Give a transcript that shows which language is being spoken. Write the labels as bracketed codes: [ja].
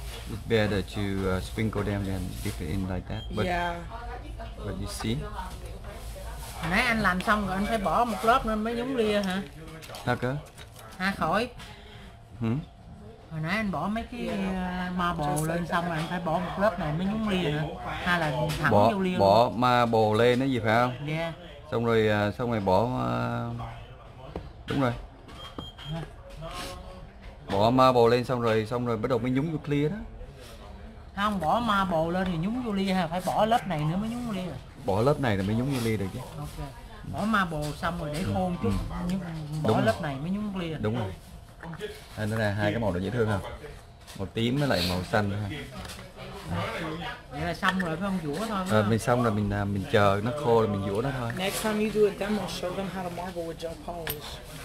[en] It's better to sprinkle them and dip it in like that. But yeah. But you see. [vi] Nãy anh làm xong rồi anh phải bỏ một lớp nữa mới giống lia hả? Sao cơ? Ha khỏi. Hmm? Hồi nãy anh bỏ mấy cái ma bồ lên xong rồi anh phải bỏ một lớp này mới giống lia hả? Hay là thẳng bỏ, vô lia bỏ luôn? Bỏ ma bồ lên cái gì phải không? [en] Yeah. [vi] Xong rồi bỏ... đúng rồi. Bỏ ma bồ lên xong rồi bắt đầu mới nhúng vô clear đó. Không, bỏ ma bồ lên thì nhúng vô lia, phải bỏ lớp này nữa mới nhúng vô lia. Bỏ lớp này là mới nhúng vô lia được chứ. Ok. Bỏ ma bồ xong rồi để khô chút. Đúng bỏ rồi. Lớp này mới nhúng lia. Đúng rồi. Đây nó là hai cái màu đó dễ thương không? Màu tím với lại màu xanh ha. Vậy là xong rồi phải không? Vũa thôi. Mình xong rồi mình chờ nó khô rồi mình vũa nó thôi. [en] Next time you do a demo, show them how to marble with gel polish.